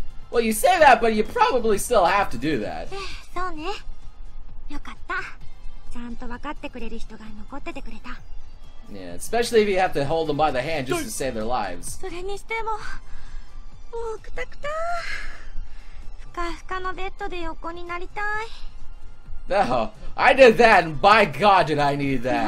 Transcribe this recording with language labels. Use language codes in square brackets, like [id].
[en] Well, you say that, but you probably still have to do that. [ja] そうね。よかった。ちゃんと分かってくれる人が残っててくれた。 [en] Yeah, especially if you have to hold them by the hand just to save their lives. [ja] それにしても、もうくたくた。ふかふかのベッドで横になりたい。 [en] No, I did that, and by God, did I need that.